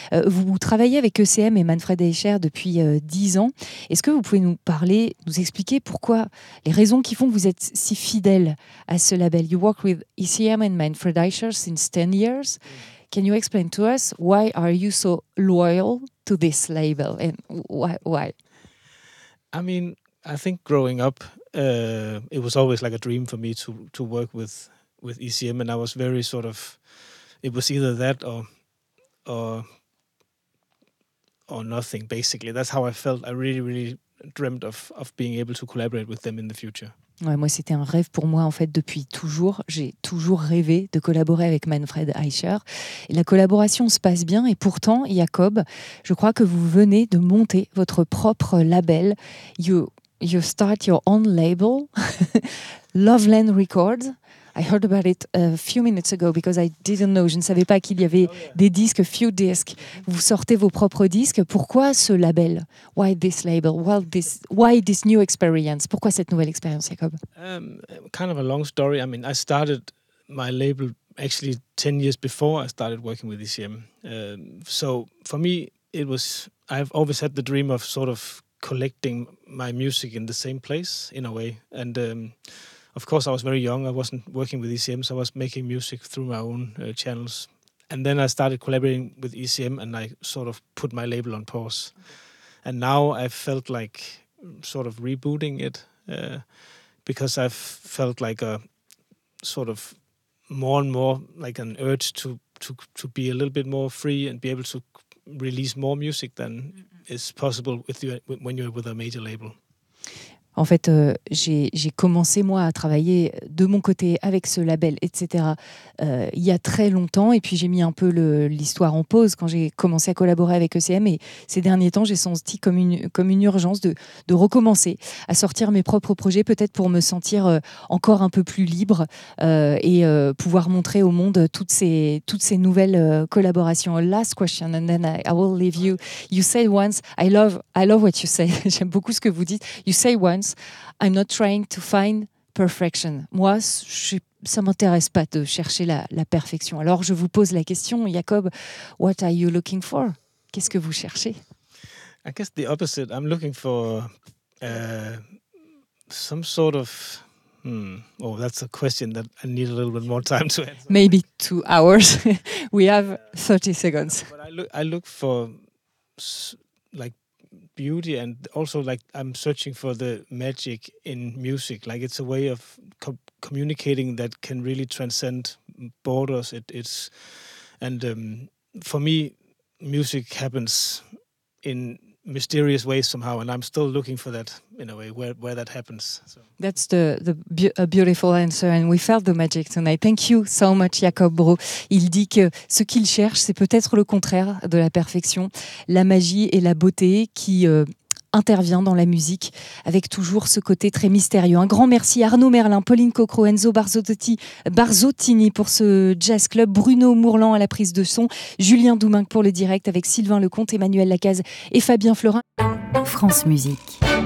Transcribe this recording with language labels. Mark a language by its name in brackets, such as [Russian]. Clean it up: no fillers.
[French] Vous travaillez avec ECM et Manfred Eicher depuis 10 ans. Est-ce que vous pouvez nous parler? Nous expliquer pourquoi les raisons qui font que vous êtes si fidèle à ce label. [English] You work with ECM and Manfred Eicher since 10 years. Can you explain to us why are you so loyal to this label and why? I mean, I think growing up, it was always like a dream for me to work with ECM, and I was very sort of. It was either that or nothing. Basically, that's how I felt. I really, really. Dreamt of being able to collaborate with them in the future. [French] Ouais, moi c'était un rêve pour moi en fait depuis toujours. J'ai toujours rêvé de collaborer avec Manfred Eicher. Et la collaboration se passe bien et pourtant, Jakob, je crois que vous venez de monter votre propre label. [English] You start your own label, Loveland Records. I heard about it a few minutes ago because I didn't know. [French] Je ne savais pas qu'il y avait des disques, [English] few discs. [French] Vous sortez vos propres disques. Pourquoi ce label? [English] Why this label? Why this new experience? [French] Pourquoi cette nouvelle expérience, [English] Jacob? Kind of a long story. I mean, I started my label actually 10 years before I started working with ECM. So for me, it was, I've always had the dream of sort of collecting my music in the same place, in a way. And of course, I was very young. I wasn't working with ECM, so I was making music through my own channels. And then I started collaborating with ECM, and I sort of put my label on pause. And now I felt like sort of rebooting it because I've felt like a sort of more and more like an urge to be a little bit more free and be able to release more music than is possible with you when you're with a major label. [French] En fait, j'ai commencé moi à travailler de mon côté avec ce label, etc. Il y a très longtemps, et puis j'ai mis un peu l'histoire en pause quand j'ai commencé à collaborer avec ECM. Et ces derniers temps, j'ai senti comme une urgence de recommencer à sortir mes propres projets, peut-être pour me sentir encore un peu plus libre et pouvoir montrer au monde toutes ces nouvelles collaborations. [English] Last question, and then I will leave you. You said once, I love what you say. [French] J'aime beaucoup ce que vous dites. [English] You say once. I'm not trying to find perfection. [French] Moi, ça m'intéresse pas de chercher la perfection. Alors, je vous pose la question, Jacob. [English] What are you looking for? [French] Qu'est-ce que vous cherchez? [English] I guess the opposite. I'm looking for some sort of. Oh, that's a question that I need a little bit more time to answer. Maybe 2 hours. We have 30 seconds. I look for like. Beauty and also like I'm searching for the magic in music. Like it's a way of communicating that can really transcend borders. It's for me, music happens in mysterious ways somehow, and I'm still looking for that in a way where that happens. So. That's a beautiful answer, and we felt the magic tonight. Thank you so much, Jacob Bro. [French] Il dit que ce qu'il cherche, c'est peut-être le contraire de la perfection, la magie et la beauté qui intervient dans la musique avec toujours ce côté très mystérieux. Un grand merci à Arnaud Merlin, Pauline Cocro, Enzo Barzottini pour ce Jazz Club, Bruno Mourlan à la prise de son, Julien Douminque pour le direct avec Sylvain Lecomte, Emmanuel Lacaze et Fabien Florin. France Musique.